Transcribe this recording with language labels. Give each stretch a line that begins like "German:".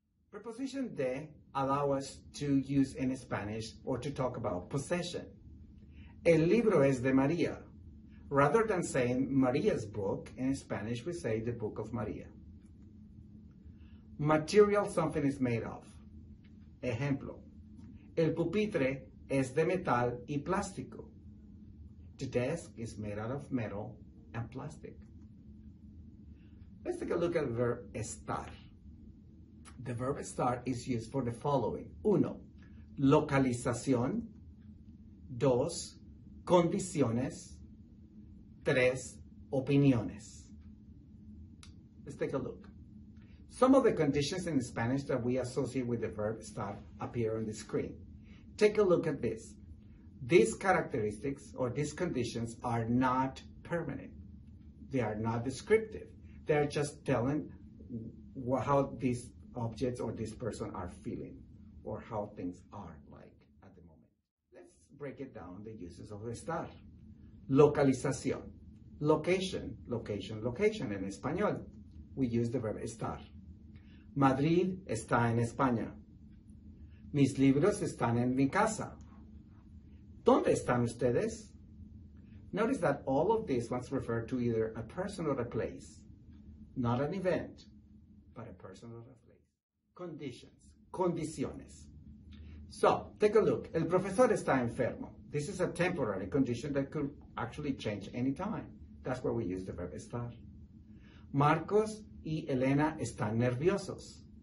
English: Preposition de allow us to use in Spanish or to talk about possession.
Spanish: El libro es de María.
English: Rather than saying María's book, in Spanish we say the book of María. Material something is made of.
Spanish: Ejemplo. El pupitre es de metal y plástico.
English: The desk is made out of metal and plastic. Let's take a look at the verb estar. The verb estar is used for the following.
Spanish: Uno, localización. Dos, condiciones. Tres, opiniones.
English: Let's take a look. Some of the conditions in Spanish that we associate with the verb estar appear on the screen. Take a look at this. These characteristics or these conditions are not permanent. They are not descriptive. They are just telling how these objects or this person are feeling. or how things are like at the moment. Let's break it down the uses of estar. Localización. Location, location, location.
Spanish: En español,
English: we use the verb estar.
Spanish: Madrid está en España. Mis libros están en mi casa. ¿Dónde están ustedes?
English: Notice that all of these ones refer to either a person or a place. Not an event, but a person or a place. Conditions. Condiciones. So, take a look.
Spanish: El profesor está enfermo.
English: This is a temporary condition that could actually change anytime. That's where we use the verb estar.
Spanish: Marcos y Elena están nerviosos.